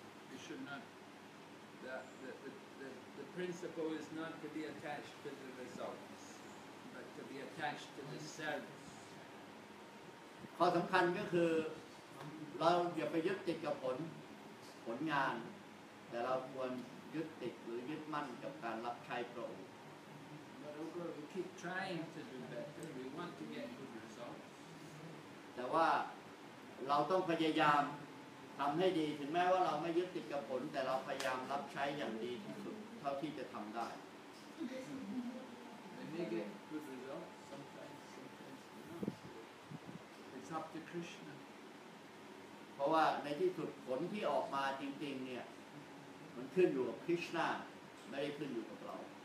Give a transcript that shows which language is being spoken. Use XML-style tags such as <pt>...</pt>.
<en>We should not the principle is not to be attached to the results but to be attached to the service</en> <th>ข้อสำคัญก็คือเราอย่าไปยึดติดกับผลงานแต่เราควรยึดติดหรือยึดมั่นกับการรับใช้พระองค์</th> <en>We keep trying to do better. We want to get good results.</en> <th>แต่ว่าเราต้องพยายามทำให้ดีถึงแม้ว่าเราไม่ยึดติดกับผลแต่เราพยายามรับใช้อย่างดีที่สุดเท่าที่จะทำได้</th> <en>We may get good results sometimes, sometimes not. It's up to Krishna.</en> <th>เพราะว่าในที่สุดผลที่ออกมาจริงๆเนี่ยมันขึ้นอยู่กับคริสนาไม่ได้ขึ้นอยู่กับเรา</th>